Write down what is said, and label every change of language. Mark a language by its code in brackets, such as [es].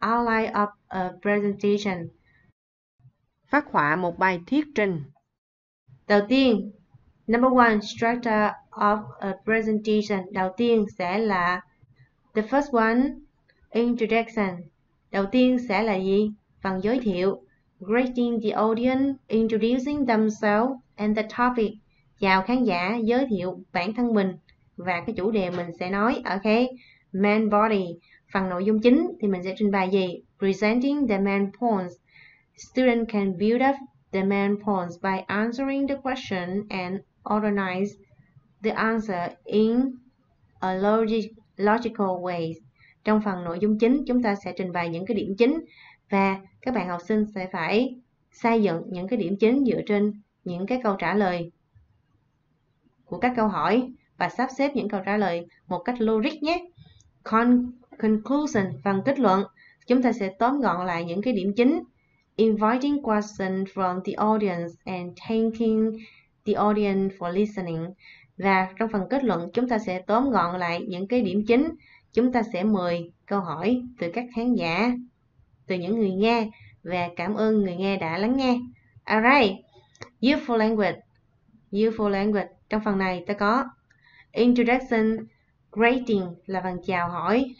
[en] Outline of a presentation. [vi] Phác họa một bài thuyết trình. Đầu tiên, [en] number one, structure of a presentation. [vi] Đầu tiên sẽ là [en] the first one, introduction. [vi] Đầu tiên sẽ là gì? Phần giới thiệu. [en] Greeting the audience, introducing themselves and the topic. [vi] Chào khán giả, giới thiệu bản thân mình và cái chủ đề mình sẽ nói. [en] Ok, main body, [vi] phần nội dung chính thì mình sẽ trình bày gì? [en] Presenting the main points. Student can build up the main points by answering the question and organize the answer in a logical way. [vi] Trong phần nội dung chính, chúng ta sẽ trình bày những cái điểm chính và các bạn học sinh sẽ phải xây dựng những cái điểm chính dựa trên những cái câu trả lời của các câu hỏi và sắp xếp những câu trả lời một cách logic nhé. Conclusion, phần kết luận. Chúng ta sẽ tóm gọn lại những cái điểm chính. [en] Inviting questions from the audience and thanking the audience for listening. [vi] Và trong phần kết luận, chúng ta sẽ tóm gọn lại những cái điểm chính. Chúng ta sẽ mời câu hỏi từ các khán giả, từ những người nghe và cảm ơn người nghe đã lắng nghe. [en] Alright, useful language. Useful language. [vi] Trong phần này ta có introduction, greeting là phần chào hỏi.